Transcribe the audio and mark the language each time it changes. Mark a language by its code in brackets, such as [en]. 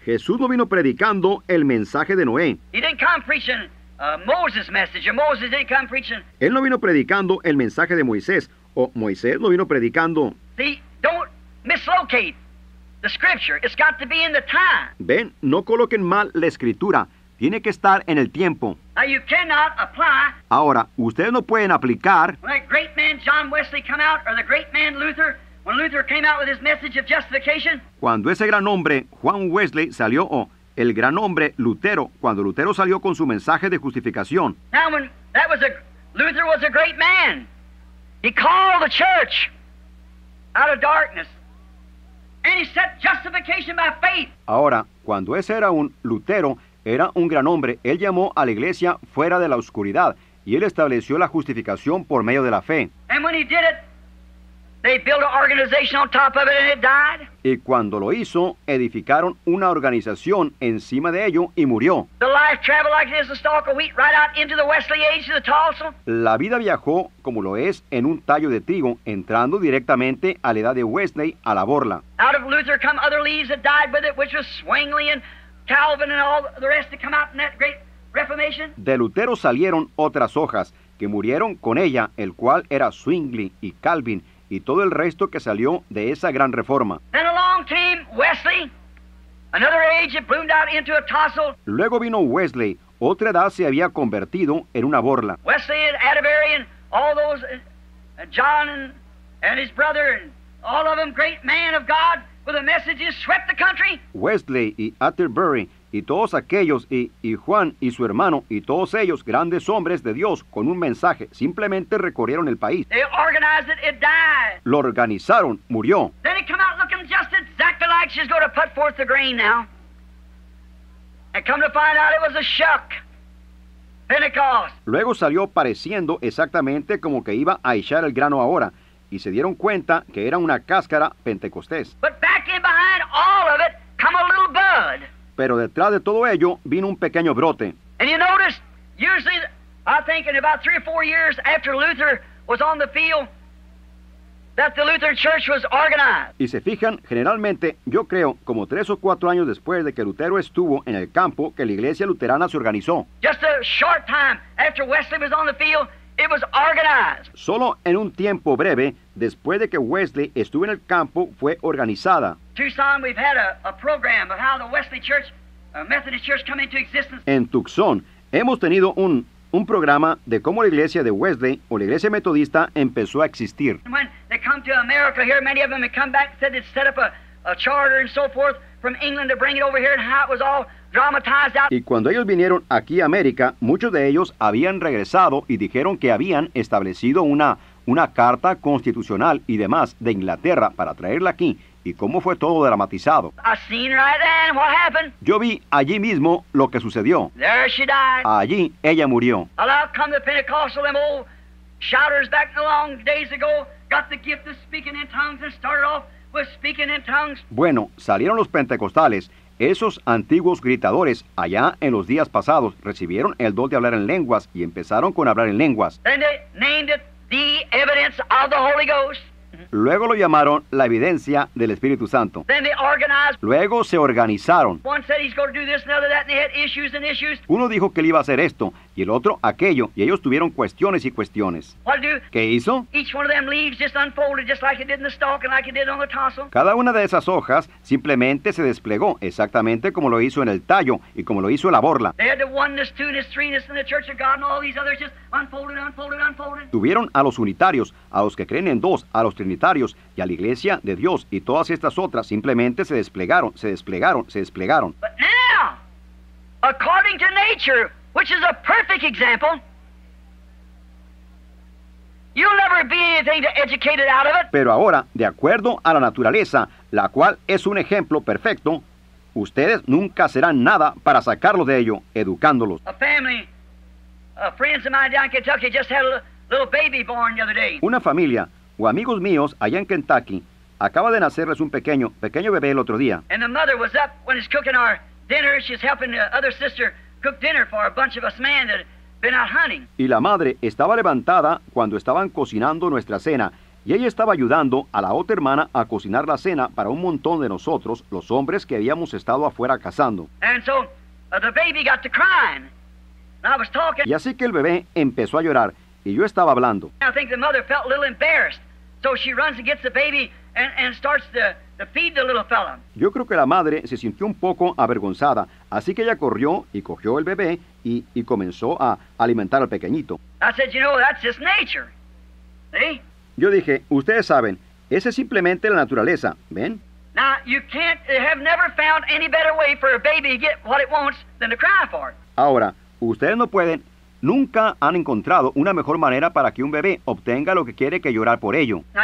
[es] Jesús no vino predicando el mensaje de Noé. [en] He didn't come preaching Moses' message. Or Moses didn't come preaching. [es] Él no vino predicando el mensaje de Moisés. O Moisés no vino predicando. [en] See, don't mislocate the scripture. It's got to be in the time. [es] Ven, no coloquen mal la escritura. Tiene que estar en el tiempo. [en] Now you cannot apply. [es] Ahora, ustedes no pueden aplicar. [en] When that great man John Wesley came out, or the great man Luther, when Luther came out with his message of justification. [es] Cuando ese gran hombre Juan Wesley salió, o el gran hombre Lutero, cuando Lutero salió con su mensaje de justificación. [en] Now when that was a Luther was a great man. He called the church out of darkness. And he set justification by faith. [es] Ahora, cuando ese era un Lutero, era un gran hombre, él llamó a la iglesia fuera de la oscuridad y él estableció la justificación por medio de la fe. [en] And when he did it, they built an organization on top of it and it died. [es] Y cuando lo hizo, edificaron una organización encima de ello y murió. [en] The life traveled like it is a stalk of wheat right out into the Wesley age of the tassel. [es] La vida viajó como lo es en un tallo de trigo, entrando directamente a la edad de Wesley, a la borla. [en] Out of Luther come other leaves that died with it, which was Zwingli and Calvin and all the rest that come out in that great reformation. [es] De Lutero salieron otras hojas que murieron con ella, el cual era Zwingli y Calvin, y todo el resto que salió de esa gran reforma. [en] Then along came Wesley, another age had bloomed out into a tassel. [es] Luego vino Wesley, otra edad se había convertido en una borla. [en] Wesley and Atterbury and all those, John and his brother, and all of them great men of God with the messages swept the country. [es] Wesley y Atterbury y todos aquellos, y Juan y su hermano, y todos ellos, grandes hombres de Dios, con un mensaje, simplemente recorrieron el país. [en] They organized it, it died. [es] Lo organizaron, murió. [en] Then it come out looking just exactly like she's going to put forth the grain now. And come to find out it was a shuck. Pentecost. [es] Luego salió pareciendo exactamente como que iba a echar el grano ahora, y se dieron cuenta que era una cáscara pentecostés. [en] But back in behind all of it come a little bud. [es] Pero detrás de todo ello vino un pequeño brote. [en] And you notice, usually, I think in about 3 or 4 years after Luther was on the field, that the Lutheran church was organized. [es] Y se fijan, generalmente, yo creo, como 3 o 4 años después de que Lutero estuvo en el campo, que la iglesia luterana se organizó. [en] Just a short time after Wesley was on the field, it was organized. [es] Solo en un tiempo breve, después de que Wesley estuvo en el campo, fue organizada. [en] Tucson, we've had a program of how the Wesley Church, Methodist Church, come into existence. [es] En Tucson, hemos tenido un programa de cómo la iglesia de Wesley, o la iglesia metodista, empezó a existir. [en] When they come to America here, many of them have come back and said they'd set up a charter and so forth from England to bring it over here, and how it was all dramatized out. [es] Y cuando ellos vinieron aquí a América, muchos de ellos habían regresado y dijeron que habían establecido una carta constitucional y demás de Inglaterra para traerla aquí. ¿Y cómo fue todo dramatizado? [en] I seen right then what happened. [es] Yo vi allí mismo lo que sucedió. [en] There she died. [es] Allí ella murió. [en] Well, out come the Pentecostal, them old shouters back in the long days ago, got the gift of speaking in tongues and started off with speaking in tongues. [es] Bueno, salieron los pentecostales. Esos antiguos gritadores, allá en los días pasados, recibieron el don de hablar en lenguas y empezaron con hablar en lenguas. [en] Then they named it the evidence of the Holy Ghost. [es] Luego lo llamaron la evidencia del Espíritu Santo. [en] Then they organized. [es] Luego se organizaron. [en] One said he's going to do this, another that, and they had issues and issues. [es] Uno dijo que él iba a hacer esto, y el otro aquello, y ellos tuvieron cuestiones y cuestiones. [en] What do? [es] ¿Qué hizo? [en] Each one of them leaves just unfolded, just like it did in the stalk and like it did on the tassel. [es] Cada una de esas hojas simplemente se desplegó, exactamente como lo hizo en el tallo y como lo hizo en la borla. [en] They had the oneness, two-ness, three-ness in the church of God, and all these others just unfolded, unfolded, unfolded. [es] Tuvieron a los unitarios, a los que creen en dos, a los trinitarios y a la iglesia de Dios, y todas estas otras simplemente se desplegaron, se desplegaron, se desplegaron. [en] But now, according to nature, which is a perfect example, you'll never be anything to educate it out of it. [es] Pero ahora, de acuerdo a la naturaleza, la cual es un ejemplo perfecto, ustedes nunca serán nada para sacarlos de ello, educándolos. [en] A family, friends of mine down in Kentucky just had a little baby born the other day. [es] Una familia o amigos míos allá en Kentucky acaba de nacerles un pequeño bebé el otro día. [en] And the mother was up when he's cooking our dinner. She's helping the other sister cook dinner for a bunch of us men that had been out hunting. [es] Y la madre estaba levantada cuando estaban cocinando nuestra cena, y ella estaba ayudando a la otra hermana a cocinar la cena para un montón de nosotros, los hombres que habíamos estado afuera cazando. [en] And so the baby got to crying. And I was talking. [es] Y así que el bebé empezó a llorar, y yo estaba hablando. [en] I think the mother felt a little embarrassed, so she runs and gets the baby and starts to feed the little fella. [es] Yo creo que la madre se sintió un poco avergonzada, así que ella corrió y cogió el bebé y comenzó a alimentar al pequeñito. [en] I said, you know, that's just nature. See? [es] Yo dije, ustedes saben, esa es simplemente la naturaleza, ¿ven? [en] Now, you can't have never found any better way for a baby to get what it wants than to cry for it. [es] Ahora, ustedes no pueden nunca han encontrado una mejor manera para que un bebé obtenga lo que quiere que llorar por ello.